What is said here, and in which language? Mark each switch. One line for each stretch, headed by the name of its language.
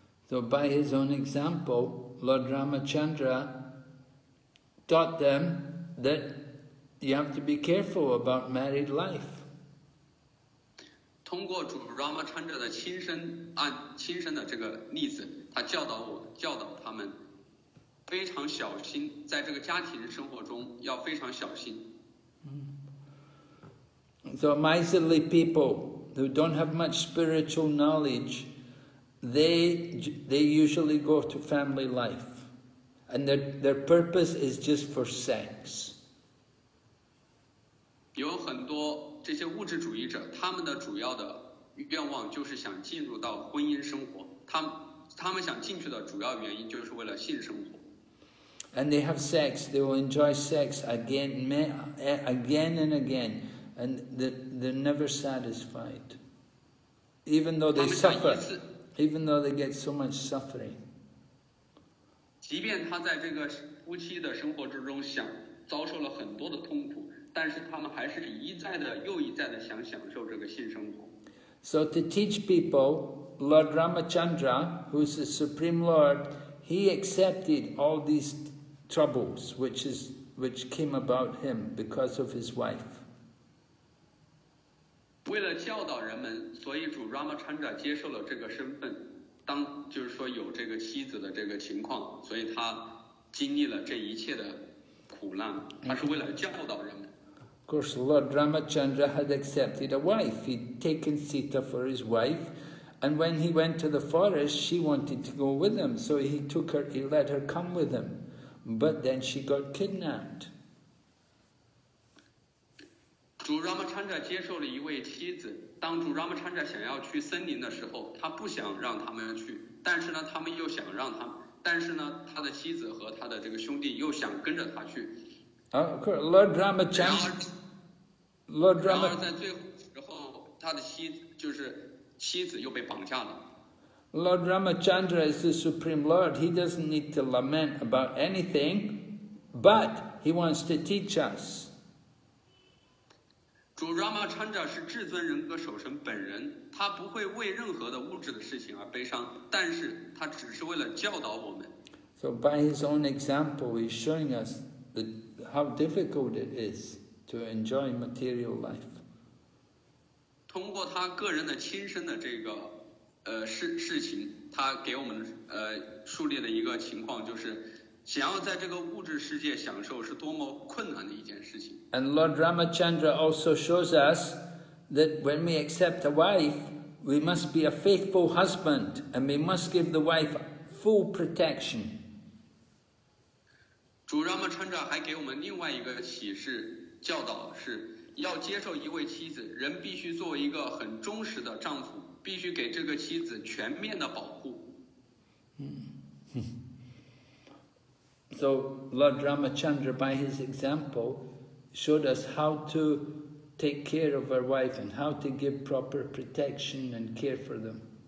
English: So by his own example, Lord Ramachandra taught them that you have to be careful about married life.
Chinese: 通过主 Ramachandra 的亲身的这个例子，他教导他们非常小心，在这个家庭生活中要非常小心。
English: So miserly people who don't have much spiritual knowledge, they usually go to family life, and their purpose is just for sex.
Chinese: 有很多这些物质主义者，他们的主要的愿望就是想进入到婚姻生活。他们想进去的主要原因就是为了性生活。
English: And they have sex, they will enjoy sex again and again, and they're never satisfied. Even though they suffer, even though they get so much suffering.
Chinese: 即便他在这个夫妻的生活之中想遭受了很多的痛苦，但是他们还是一再的又一再的想享受这个性生活。
English: So to teach people, Lord Ramachandra, who's the Supreme Lord, he accepted all these troubles which came about him because of his wife.
Chinese: 为了教导人们，所以主 Ramachandra 接受了这个身份，当就是说有这个妻子的这个情况，所以他经历了这一切的苦难，他是为了教导人们。
English: Of course, Lord Ramachandra had accepted a wife. He'd taken Sita for his wife, and when he went to the forest, she wanted to go with him, so he took her, he let her come with him. But then she got kidnapped.
Chinese: 主 Ramachandra 接受了一位妻子。当主 Ramachandra 想要去森林的时候，他不想让他们去。但是呢，他们又想让他，但是呢，他的妻子和他的这个兄弟又想跟着他去。
English: Lord Ramachandra.
Chinese: 然而在最后时候，他的妻子又被绑架了。
English: Lord Ramachandra is the Supreme Lord. He doesn't need to lament about anything, but he wants to teach us.
Chinese: 主 Ramachandra 是至尊人格守神本人，他不会为任何的物质的事情而悲伤，但是他只是为了教导我们。
English: So by his own example, he's showing us how difficult it is to enjoy material life.
Chinese: 通过他个人的亲身的这个事情，他给我们树立的一个情况，就是想要在这个物质世界享受是多么困难的一件事情。
English: And Lord Ramachandra also shows us that when we accept a wife, we must be a faithful husband, and we must give the wife full protection.
Chinese: 主 Ramachandra 还给我们另外一个启示教导，是要接受一位妻子，人必须做一个很忠实的丈夫。必须给这个妻子全面的保护。
English: So Lord Ramachandra, by his example, showed us how to take care of our wife and how to give proper protection and care for them.